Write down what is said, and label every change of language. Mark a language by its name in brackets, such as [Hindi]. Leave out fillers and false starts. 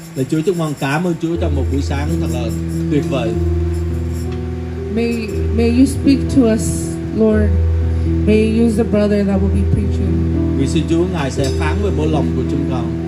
[Vietnamese] Chúa chúc mừng, cảm ơn Chúa trong một buổi sáng thật là tuyệt vời. [English] May you speak to us, Lord. May you use the brother that will be preaching. [Vietnamese] Vì xin Chúa ngài sẽ phán với mỗi lòng của chúng con.